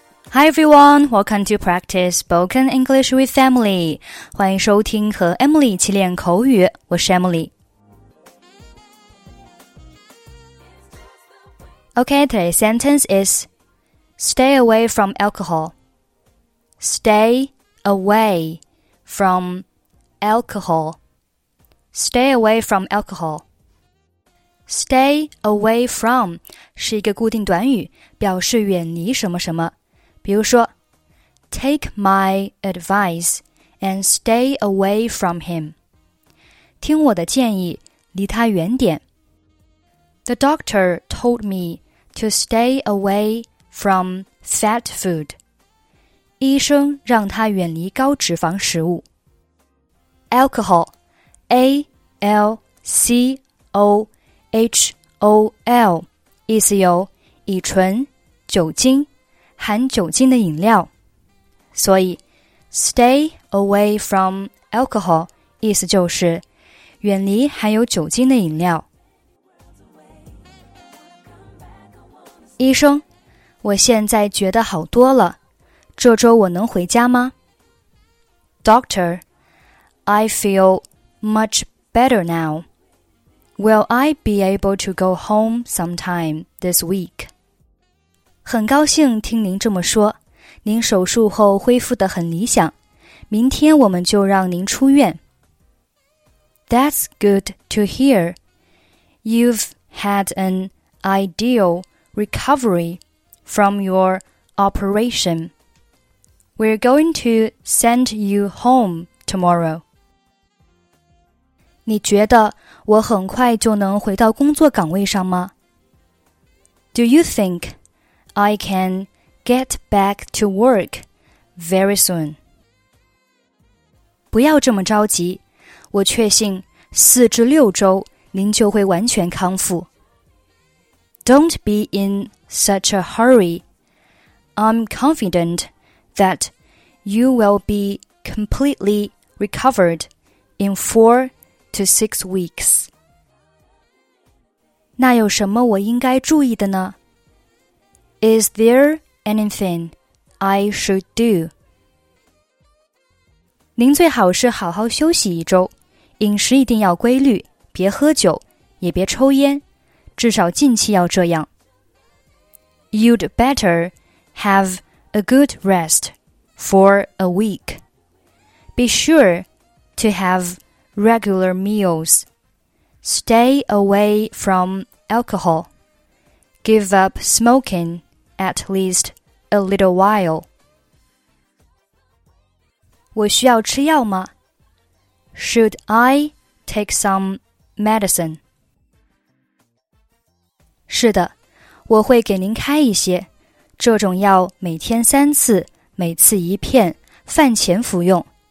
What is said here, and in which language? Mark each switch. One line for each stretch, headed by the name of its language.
English: Hi everyone, welcome to Practice Spoken English with Emily.
Chinese: 欢迎收听和 Emily 一起练口语，我是 Emily.
English: Okay, today's sentence is Stay away from alcohol. Stay away from alcohol. Stay away from alcohol.
Chinese: Stay away from 是一个固定短语，表示远离什么什么。比如说
English: Take my advice and stay away from him.
Chinese: 听我的建议，离他远点。
English: The doctor told me to stay away from fat food.
Chinese: 医生让他远离高脂肪食物。Alcohol, A-L-C-O-H-O-L, 意思有乙醇、酒精。含酒精的饮料，所以
English: stay away from alcohol
Chinese: 意思就是远离含有酒精的饮料。医生，我现在觉得好多了，这周我能回家吗？
English: Doctor, I feel much better now. Will I be able to go home sometime this week?
Chinese: 很高兴听您这么说，您手术后恢复得很理想，明天我们就让您出院。
English: That's good to hear. You've had an ideal recovery from your operation. We're going to send you home tomorrow.
Chinese: 你觉得我很快就能回到工作岗位上吗？
English: Do you think... I can get back to work very soon.
Chinese: 不要这么着急，我确信四至六周您就会完全康复。
English: Don't be in such a hurry. I'm confident that you will be completely recovered in 4 to 6 weeks.
Chinese: 那有什么我应该注意的呢？
English: Is there anything I should do?
Chinese: 您最好是好好休息一周，饮食一定要规律，别喝酒，也别抽烟，至少近期要这样。
English: You'd better have a good rest for a week. Be sure to have regular meals. Stay away from alcohol. Give up smoking. At least a little while.
Chinese: 我需要吃药吗?
English: Should I take some medicine?
Chinese: 是的，我会给您开一些。这种药每天三次，每次一片，饭前服用。